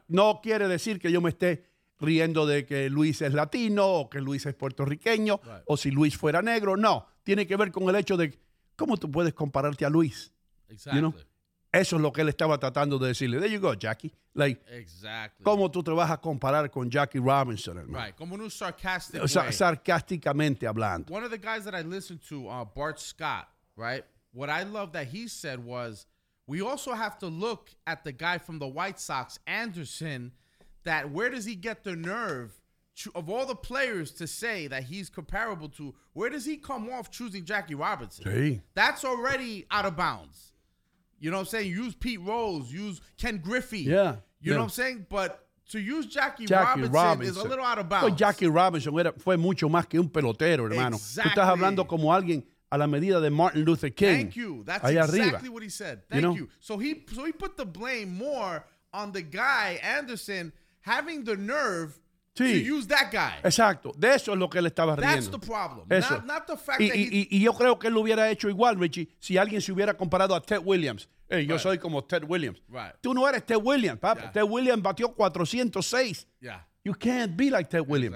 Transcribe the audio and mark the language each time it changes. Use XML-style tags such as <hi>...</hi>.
<es>no quiere decir que yo me esté riendo de que Luis es latino o que Luis es puertorriqueño</es> <en>right.</en> <es>o si Luis fuera negro. No. Tiene que ver con el hecho de cómo tú puedes compararte a Luis.</es> <en>Exactly. You know?</en> <es>Eso es lo que él estaba tratando de decirle.</es> <en>There you go, Jackie. Like, exactly.</en> <es>¿Cómo tú te vas a comparar con Jackie Robinson, hermano? Right, como en un</es> <en>sarcastic way.</en> <es>Sarcásticamente hablando.</es> <en>One of the guys that I listened to, Bart Scott, right? What I love that he said was, we also have to look at the guy from the White Sox, Anderson, that where does he get the nerve to, of all the players to say that he's comparable to, where does he come off choosing Jackie Robinson? Hey. That's already out of bounds. You know what I'm saying? Use Pete Rose. Use Ken Griffey. Yeah. You yeah. know what I'm saying? But to use Jackie Robinson is a little out of bounds.</en> <es>Pues Jackie Robinson fue mucho más que un pelotero, hermano.</es> <en>Exactly.</en> <es>Tú estás hablando como alguien a la medida de Martin Luther King.</es> <en>Thank you. That's exactly</en> <es>arriba.</es> <en>What he said. Thank you. Know? You. So he put the blame more on the guy, Anderson, having the nerve</en> <es>sí.</es> <en>to use that guy.</en> <es>Exacto. De eso es lo que él estaba riendo.</es> <en>That's the problem.</en> <es>Eso.</es> <en>Not the fact that</en> <es>y yo creo que él lo hubiera hecho igual, Richie, si alguien se hubiera comparado a Ted Williams. Hey, yo soy como Ted Williams.</es> <en>Right.</en> <es>Tú no eres Ted Williams, papá.</es> <en>Yeah.</en> <es>Ted Williams batió 406.</es> <en>Yeah. You can't be like Ted Williams.</en>